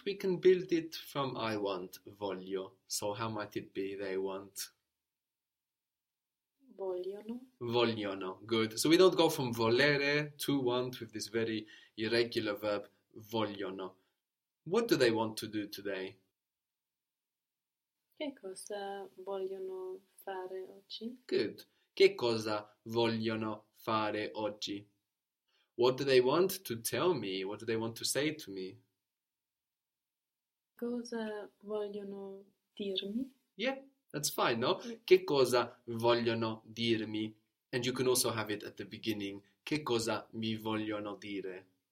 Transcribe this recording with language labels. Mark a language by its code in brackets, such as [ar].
[en] We can build it from I want. [it] Voglio. [en] So how might it be they want? [it] Vogliono. Vogliono. [en] Good. So we don't go from volere to want with this very irregular verb. [it] Vogliono. [en] What do they want to do today? [it] Che cosa vogliono fare oggi? [en] Good. [it] Che cosa vogliono fare oggi? [en] What do they want to tell me? What do they want to say to me? [it] Cosa vogliono dirmi? [en] Yeah, that's fine, no? [it] Che cosa vogliono dirmi? [en] And you can also have it at the beginning. [it] Che cosa mi vogliono dire?